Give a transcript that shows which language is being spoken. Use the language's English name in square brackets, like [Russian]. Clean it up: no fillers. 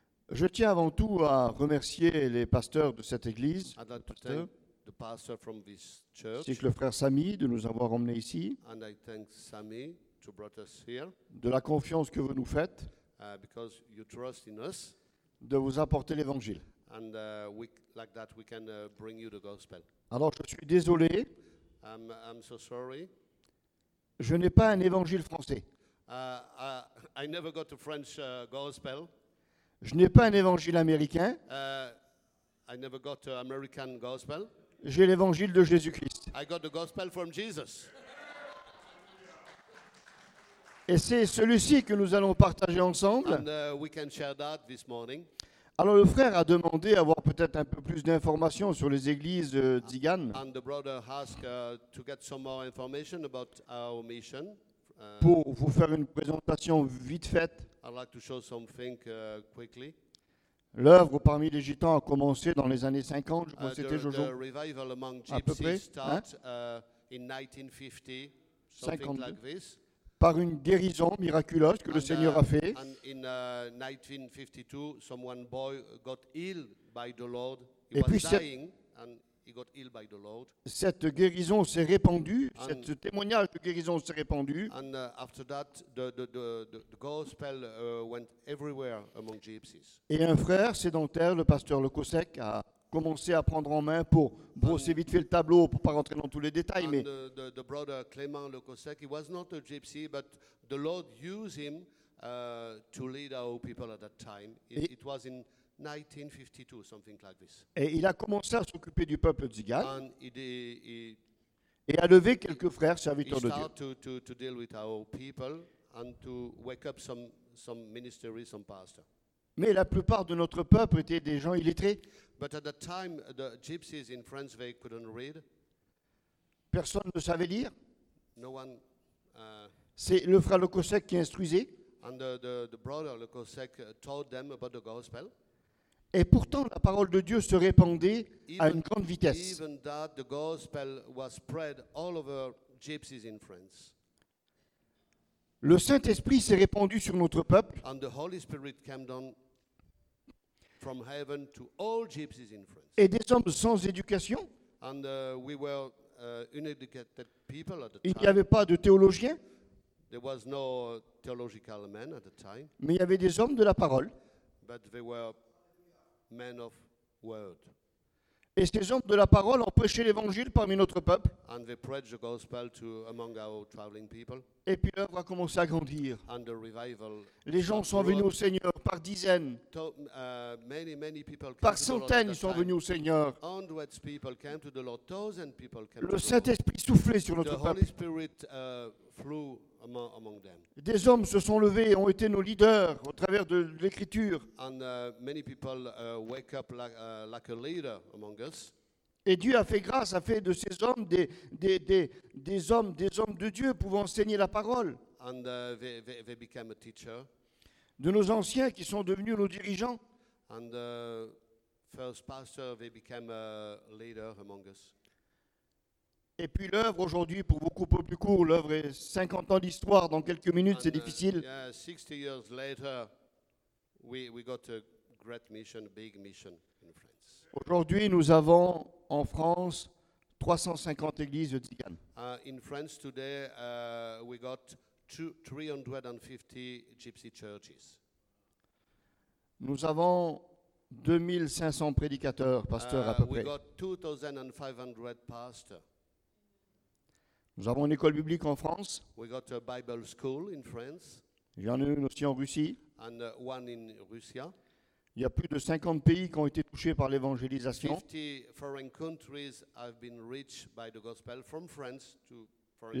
[French] Je tiens avant tout à remercier les pasteurs de cette église, le frère Samy de nous avoir emmenés ici, [English] and I thank Sammy to brought us here, [French] de la confiance que vous nous faites, [English] because you trust in us, [French] de vous apporter l'évangile. [English] And, like that we can, bring you the gospel. [French] Alors je suis désolé. [English] I'm so sorry. [French] Je n'ai pas un évangile français. [English] I never got a French gospel. [French] Je n'ai pas un évangile américain. [English] I never got an American gospel. [French] J'ai l'évangile de Jésus-Christ. [English] I got the gospel from Jesus. [French] Et c'est celui-ci que nous allons partager ensemble. [English] And, we can share that this morning. [French] Alors le frère a demandé avoir peut-être un peu plus d'informations sur les églises Zigane. [English] And the brother asked to get some more information about our mission. [French] Pour vous faire une présentation vite faite. [English] I'd like to show something quickly. [French] L'œuvre parmi les gitans a commencé dans les années 50, je crois que c'était Jojo. [English] The revival among gypsies started in 1950, something [French] 52. [English] Like this. [French] Par une guérison miraculeuse que [English] and, [French] le Seigneur a fait. [English] In 1952, someone boy got ill by the Lord. He et was [French] puis [English] dying and he got ill by the Lord. [French] Cette guérison s'est répandue. Ce témoignage de guérison s'est répandu. [English] And after that, the gospel went everywhere among gypsies. [French] Et un frère sédentaire, le pasteur Le Cossec, a commencé à prendre en main pour brosser [English] and [French] vite fait le tableau pour pas rentrer dans tous les détails mais [English] the brother Clément Le Cossec, he was not a gypsy but the Lord used him to lead our people at that time. It was in 1952 something like this. [French] Et il a commencé à s'occuper du peuple Tzigane [English] and he [French] et a levé quelques frères serviteurs de Dieu. [English] To deal with our people and to wake up some ministry, some pastor. [French] Mais la plupart de notre peuple étaient des gens illettrés. [English] But at that time, the gypsies in France, they couldn't read. [French] Personne ne savait lire. [English] No one, [French] c'est le frère Lekosek qui instruisait. [English] And the brother Lekosek taught them about the gospel. [French] Et pourtant, la parole de Dieu se répandait à une grande vitesse. [English] Even that, the gospel was spread all over gypsies in France. [French] Le Saint-Esprit s'est répandu sur notre peuple. [English] And the Holy Spirit came down from heaven to all gypsies in France. [French] Et des hommes sans éducation. [English] And we were uneducated people at the time. [French] Il n'y avait pas de théologiens. [English] There was no theological men at the time. [French] Mais il y avait des hommes de la parole. [English] But they were men of word. [French] Et ces hommes de la parole ont prêché l'évangile parmi notre peuple. [English] And they preached the gospel to among our traveling people. [French] Et puis l'œuvre a commencé à grandir. [English] And the revival. [French] Les gens sont venus au Seigneur par dizaines. [English] Many people [French] par centaines, ils sont venus au Seigneur. [English] Hundreds people came to the Lord. Thousands people came. [French] Le Saint-Esprit soufflait sur notre peuple. [English] The Holy Spirit flew among them. [French] Des hommes se sont levés et ont été nos leaders au travers de l'Écriture. [English] And many people wake up like a leader among us. [French] Et Dieu a fait grâce, a fait de ces hommes des hommes de Dieu pouvant enseigner la parole. [English] And they became a teacher. [French] De nos anciens qui sont devenus nos dirigeants. [English] And first pastor, they became a leader among us. [French] Et puis l'œuvre aujourd'hui, pour beaucoup plus court, l'œuvre est 50 ans d'histoire, dans quelques minutes, [English] and [French] c'est difficile. [English] Yeah, 60 years later, we got a great mission, a big mission in France. [French] Aujourd'hui, nous avons en France 350 églises de Tzigane. [English] In France today, we got 350 gypsy churches. [French] Nous avons 2500 prédicateurs, pasteurs à peu près. [English] We got 2500 pastors. [French] Nous avons une école biblique en France. [English] We got a Bible school in France. [French] Il y en a une aussi en Russie. [English] And one in Russia. [French] Il y a plus de 50 pays qui ont été touchés par l'évangélisation. [English] 50 foreign countries have been reached by the gospel from France to foreign countries.